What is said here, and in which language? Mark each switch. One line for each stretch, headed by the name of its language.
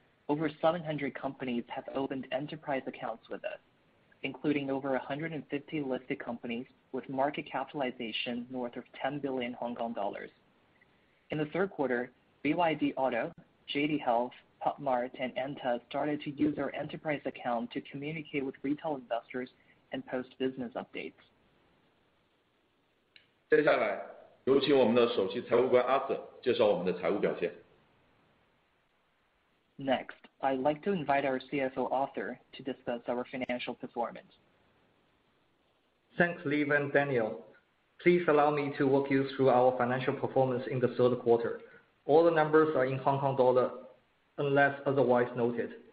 English: Over 700 companies have opened enterprise accounts with us, including over 150 listed companies with market capitalization north of 10 billion Hong Kong dollars. In the third quarter, BYD Auto, JD Health, PopMart, and Anta started to use our enterprise account to communicate with retail investors and post business updates.
Chinese: 接下来，有请我们的首席财务官阿瑟介绍我们的财务表现。
English: Next, I'd like to invite our CFO Arthur to discuss our financial performance. Thanks, Liv and Daniel. Please allow me to walk you through our financial performance in the third quarter. All the numbers are in Hong Kong dollar, unless otherwise noted.